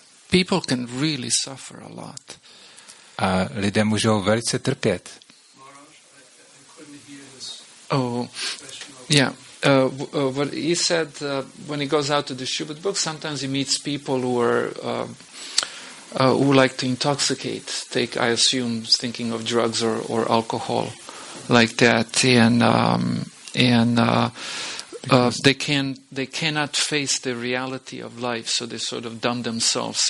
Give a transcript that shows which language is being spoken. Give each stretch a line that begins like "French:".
English: People can really suffer a lot.
Czech: A lidé můžou velice trpět.
English: Maharaj, I couldn't hear this. Oh, yeah. What he said when he goes out to the Schubert book, sometimes he meets people who are who like to intoxicate. Take, I assume, thinking of drugs or alcohol, like that, and they cannot face the reality of life, so they sort of dumb themselves.